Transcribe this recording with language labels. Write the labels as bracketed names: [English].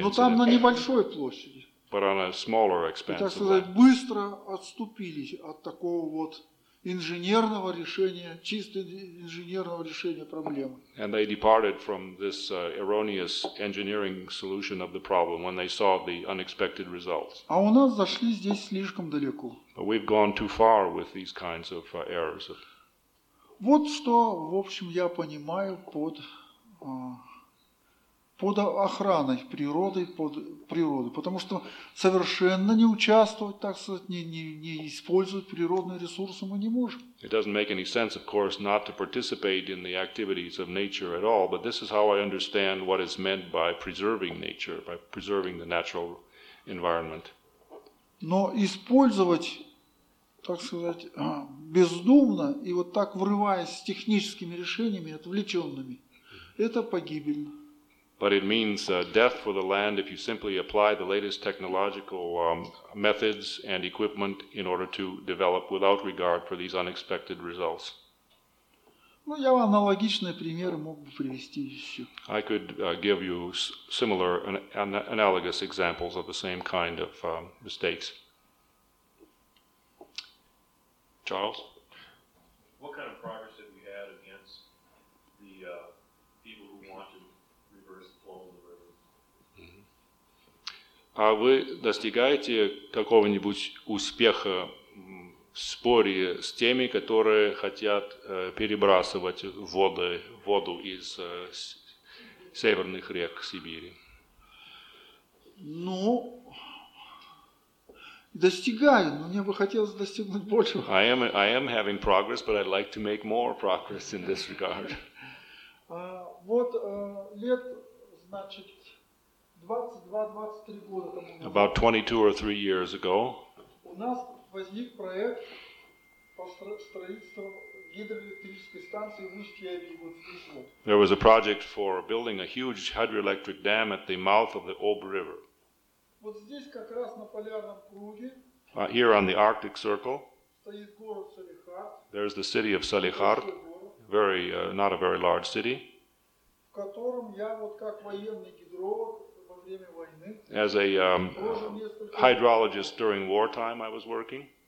[Russian] Но там на небольшой площади. [English] But on a smaller expanse. [Russian] Так сказать, быстро отступились от такого вот инженерного решения, чисто инженерного решения проблемы. [English] And they departed from this erroneous engineering solution of the problem when they saw the unexpected results. [Russian] А у нас зашли здесь слишком далеко. [English] But we've gone too far with these kinds of errors. [Russian] Вот что, в общем, я понимаю под, под охраной природы, под природой. Потому что совершенно не участвовать, так сказать, не использовать природные ресурсы мы не можем. [English] It doesn't make any sense, of course, not to participate in the activities of nature at all, but this is how I understand what is meant by preserving nature, by preserving the natural environment. [Russian] Но использовать, так сказать, бездумно и вот так врываясь с техническими решениями, отвлеченными, это погибельно. [English] But it means death for the land if you simply apply the latest technological methods and equipment in order to develop without regard for these unexpected results. [Russian] Ну, я аналогичные примеры мог бы привести еще. [English] I could give you similar analogous examples of the same kind of mistakes. Charles? What kind of progress have you had against the people who want to reverse the flow of the river? [Russian] А вы достигаете какого-нибудь успеха в споре с теми, которые хотят перебрасывать воду из северных рек Сибири? Ну... Достигаю, но мне бы хотелось достигнуть большего. [English] I am having progress, but I'd like to make more progress in this regard. [Russian] Вот лет, значит, 22-23 года тому назад. [English] About 22 or 3 years ago. [Russian] У нас возник проект по строительству гидроэлектрической станции в Усть-Яве. [English] There was a project for building a huge hydroelectric dam at the mouth of the Ob River. [Russian] Вот здесь как раз на полярном круге. [English] Here on the Arctic Circle. [Russian] Стоит город Салихард. [English] There's the city of Салихард. Very not a very large city. [Russian] В котором я вот как военный гидролог во время войны. [English] As a hydrologist during wartime I was working.